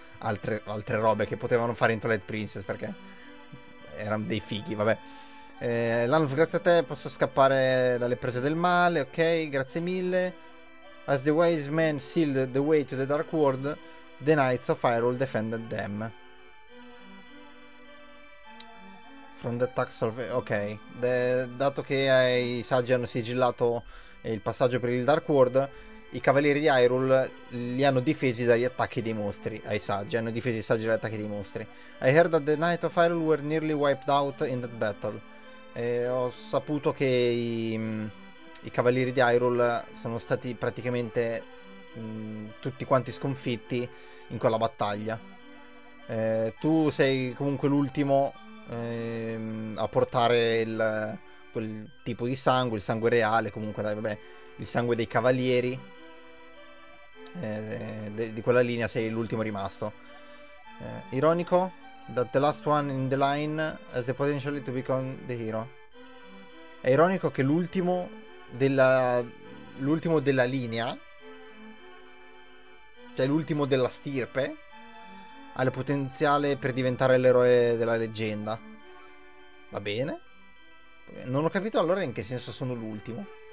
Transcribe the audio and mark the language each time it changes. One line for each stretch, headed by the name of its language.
Italian: Altre robe che potevano fare in Twilight Princess perché erano dei fighi, vabbè. Lanuf, grazie a te. Posso scappare dalle prese del male. Ok, grazie mille.
English: As the wise man sealed the way to the dark world, the knights of Hyrule defended them. From the attacks of. Ok.
Italian: Dato che i saggi hanno sigillato il passaggio per il dark world, i cavalieri di Hyrule li hanno difesi dagli attacchi dei mostri. Ai saggi, hanno difesi i saggi dagli attacchi dei mostri.
English: I heard that the knights of Hyrule were nearly wiped out in that battle.
Italian: E ho saputo che i cavalieri di Hyrule sono stati praticamente tutti quanti sconfitti in quella battaglia. Tu sei comunque l'ultimo a portare quel tipo di sangue, il sangue reale, comunque dai, vabbè, il sangue dei cavalieri di quella linea sei l'ultimo rimasto. Ironico
English: that the last one in the line has the potential to become the hero.
Italian: È ironico che l'ultimo della linea, cioè l'ultimo della stirpe, ha il potenziale per diventare l'eroe della leggenda. Va bene. Non ho capito allora in che senso sono l'ultimo.